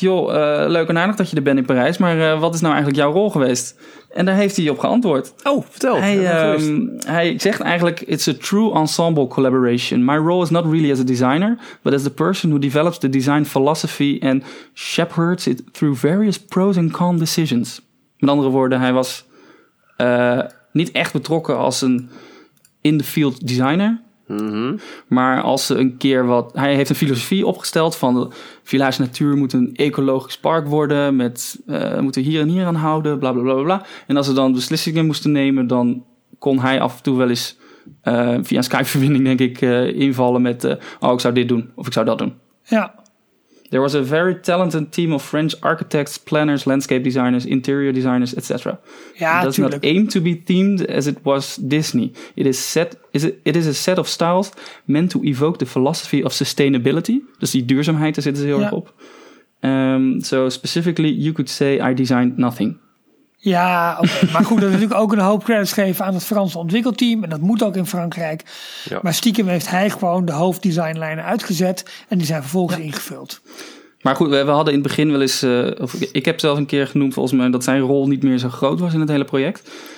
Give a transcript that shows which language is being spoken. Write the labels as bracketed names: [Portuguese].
[Dutch] Joh, leuk en aardig dat je er bent in Parijs. Maar wat is nou eigenlijk jouw rol geweest? En daar heeft hij op geantwoord. Oh, vertel. Hij zegt eigenlijk, [English] it's a true ensemble collaboration. My role is not really as a designer, but as the person who develops the design philosophy and shepherds it through various pros and cons decisions. [Dutch] Met andere woorden, hij was niet echt betrokken als een [English] in the field designer. [Dutch] Mm-hmm. Maar als ze een keer wat... Hij heeft een filosofie opgesteld van... Village Natuur moet een ecologisch park worden. Met moeten hier en hier aan houden. Bla, bla, bla, bla. En als ze dan beslissingen moesten nemen... Dan kon hij af en toe wel eens... via een Skype-verbinding denk ik... invallen met... Oh, ik zou dit doen. Of ik zou dat doen. Ja. [English] There was a very talented team of French architects... planners, landscape designers, interior designers, etc. [Dutch] Ja, [English] it does not aim to be themed as it was Disney. It is a set of styles meant to evoke the philosophy of sustainability. [Dutch] Dus die duurzaamheid, daar zitten ze heel erg op. [English] So specifically, you could say I designed nothing. [Dutch] Ja, okay. Maar goed, dat is natuurlijk ook een hoop credits geven aan het Franse ontwikkelteam. En dat moet ook in Frankrijk. Ja. Maar stiekem heeft hij gewoon de hoofddesignlijnen uitgezet. En die zijn vervolgens ingevuld. Maar goed, we hadden in het begin wel eens... ik heb zelf een keer genoemd volgens mij dat zijn rol niet meer zo groot was in het hele project.